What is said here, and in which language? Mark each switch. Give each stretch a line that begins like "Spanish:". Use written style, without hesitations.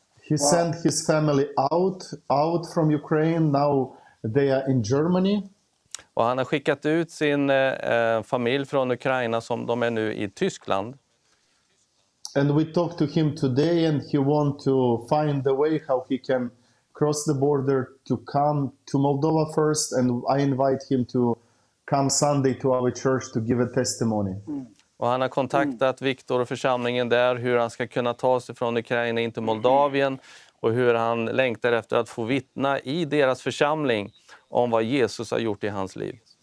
English: He sent his family out from Ukraine. Now they are in Germany.
Swedish: Och han har skickat ut sin familj från Ukraina som de är nu i Tyskland.
English: And we talked to him today and he want to find a way how he can cross the border to come to Moldova first, and I invite him to come Sunday to our church to give a testimony.
Swedish: Och han har kontaktat Viktor och församlingen där, hur han ska kunna ta sig från Ukraina in till Moldavien och hur han längtar efter att få vittna i deras församling om vad Jesus har gjort i hans liv.